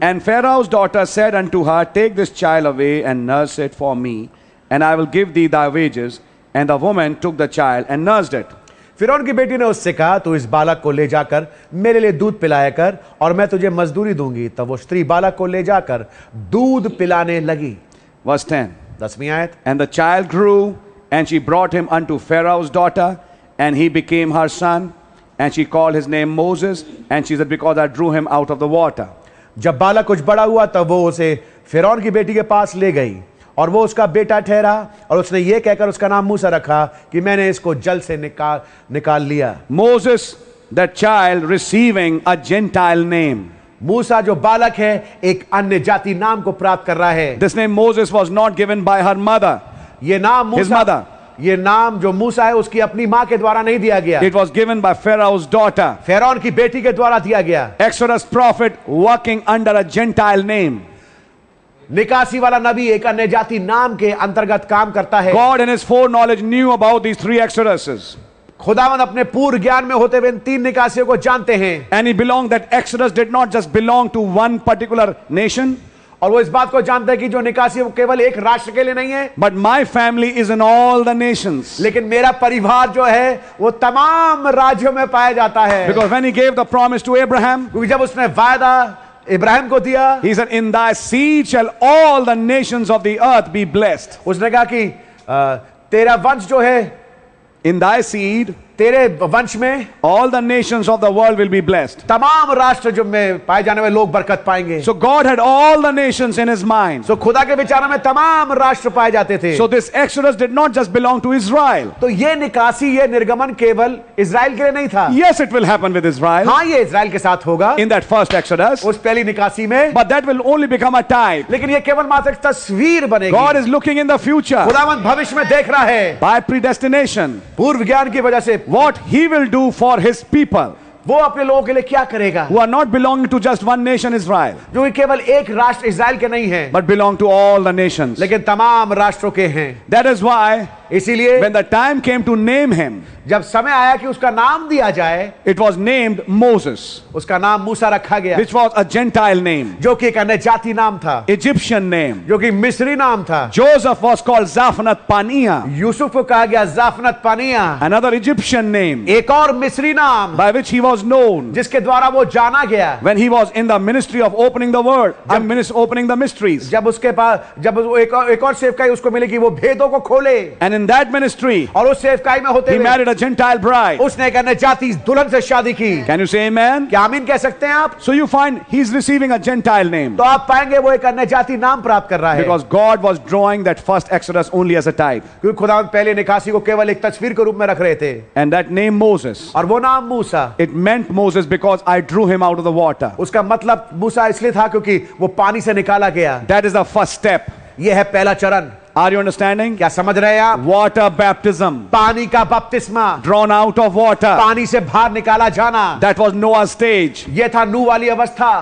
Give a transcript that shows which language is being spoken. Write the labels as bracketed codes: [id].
[en] And Pharaoh's daughter said unto her take this child away and nurse it for me and I will give thee the wages. And the woman took the child and nursed it. [hi] फिरौन की बेटी ने उससे कहा तो इस बालक को ले जाकर मेरे लिए दूध पिलाया कर और मैं तुझे मजदूरी दूंगी. तब वो स्त्री बालक को ले जाकर दूध पिलाने लगी. [en] Verse 10. [hi] दसवीं आयत. [en] And the child grew and she brought him unto Pharaoh's daughter and he became her son and she called his name Moses and she said because I drew him out of the water. [hi] जब बालक कुछ बड़ा हुआ तब वो उसे फिरौन की बेटी के पास ले गई और वो उसका बेटा ठहरा और उसने ये कहकर उसका नाम मूसा रखा कि मैंने इसको जल से निकाल लिया. [en] Moses, the child receiving a Gentile name. [hi] मूसा जो बालक है एक अन्य जाति नाम को प्राप्त कर रहा है. [en] This name Moses was not given by her mother. [hi] ये नाम मूसा, [en] his mother. [hi] ये नाम जो मूसा है उसकी अपनी माँ के द्वारा नहीं दिया गया. [en] It was given by Pharaoh's daughter. [hi] फेरौन की बेटी के द्वारा दिया गया. [en] Exodus prophet working under a Gentile name. [hi] निकासी वाला नबी एक अन्य जाति नाम के अंतर्गत काम करता है. [en] God in his foreknowledge knew about these three exoduses. [hi] खुदावन अपने पूर्व ज्ञान में होते हुए इन तीन निकासियों को जानते हैं. [en] And he belonged that exodus did not just belong to one particular nation. [hi] और वो इस बात को जानते हैं कि जो निकासी वो केवल एक राष्ट्र के लिए नहीं है. [en] But my family is in all the nations. [hi] लेकिन मेरा परिवार जो है वो तमाम राज्यों में पाया जाता है. [en] Because when he gave the promise to Abraham, [hi] क्योंकि जब उसने वायदा इब्राहिम को दिया, [en] he said, "In thy seed shall all the nations of the earth be blessed." [hi] उसने कहा कि तेरा वंश जो है, [en] in thy seed, [hi] तेरे वंश में, [en] all the nations of the world will be blessed. [hi] तमाम राष्ट्र जो में पाए जाने वाले लोग बरकत पाएंगे. [en] So God had all the nations in His mind. [hi] So खुदा के विचार में तमाम राष्ट्र पाए जाते थे. [en] So this Exodus did not just belong to Israel. [hi] तो ये निकासी, ये निर्गमन केवल इज़राइल के लिए नहीं था. [en] Yes, it will happen with Israel. [hi] हाँ, ये इज़राइल के साथ होगा. [en] In that first Exodus. [hi] उस पहली निकासी में. [en] But that will only become a type. [hi] लेकिन ये केवल मात्र एक तस्वीर बनेगी. [en] God is looking in the future. [hi] खुदावंत भविष्य में देख रहा है. [en] By predestination. [hi] पूर्व ज्ञान की वजह से. [en] What he will do for his people. [hi] वो अपने लोगों के लिए क्या करेगा? [en] Who are not belonging to just one nation, Israel. [hi] जो कि केवल एक राष्ट्र इज़राइल के नहीं है. [en] But belong to all the nations. [hi] लेकिन तमाम राष्ट्रों के हैं. [en] That is why. [hi] इसीलिए. [en] When the time came to name him. [hi] जब समय आया कि उसका नाम दिया जाए. [en] It was named Moses. [hi] उसका नाम मूसा रखा गया. [en] Which was a Gentile name. [hi] जो कि एक अन्य जाति नाम था. [en] Egyptian name. [hi] जो कि मिस्री नाम था. [en] Joseph was called Zaphnath-Paniah. [hi] Yusuf को कहा गया Zaphnath-Paniah. [en] Another Egyptian name. [hi] एक और मिस्री नाम. [en] By which he was known. [hi] जिसके द्वारा वो जाना गया. [en] When he was in the ministry of opening the word, opening the mysteries. [hi] जब उसके पास, जब एक और सेवकाई उसको मिली कि वो भेदों को खोले. [en] And in that ministry, [hi] और उस सेवकाई में होते [en] हुए, he married a Gentile bride. [hi] उसने एक अन्य जाति दुल्हन से शादी की. [en] Can you say amen? [hi] क्या आमीन कह सकते हैं आप? [en] So you find he is receiving a Gentile name. [hi] तो आप पाएंगे वो एक अन्य जाति नाम प्राप्त कर रहा है. [en] Because God was drawing that first Exodus only as a type. [hi] क्योंकि खुदा पहले निकासी को केवल एक तस्वीर के रूप में रख रहे थे. [en] And that name Moses. [hi] और वो नाम मूसा. [en] It meant Moses because I drew him out of the water. [hi] उसका मतलब मूसा इसलिए था क्योंकि वो पानी से निकाला गया. [en] That is the first step. [hi] ये है पहला चरण. [en] Are you understanding? [hi] क्या समझ रहे हैं आप? [en] Water baptism. [hi] पानी का बपतिस्मा. [en] Drawn out of water. [hi] पानी से बाहर निकाला जाना. [en] That was Noah's stage. [hi] ये था नूह वाली अवस्था.